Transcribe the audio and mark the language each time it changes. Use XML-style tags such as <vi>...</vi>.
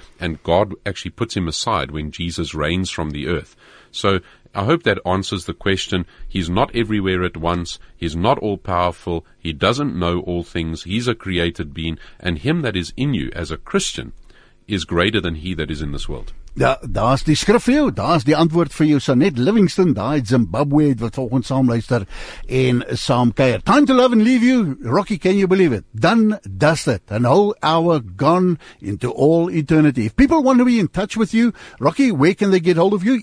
<en>And God actually puts him aside when Jesus reigns from the earth. So I hope that answers the question. He's not everywhere at once. He's not all powerful. He doesn't know all things. He's a created being. And him that is in you as a Christian is greater than he that is in this world.</en> <af>Ja, daar's die skrif vir jou, daar's die antwoord vir jou. Sanet Livingston, daai Zimbabwe het wat volgens saamluister en saamkeer.</af> <en>Time to love and leave you, Rocky, can you believe it? Done, dusted, an whole hour gone into all eternity. If people want to be in touch with you, Rocky, where can they get hold of you?</en>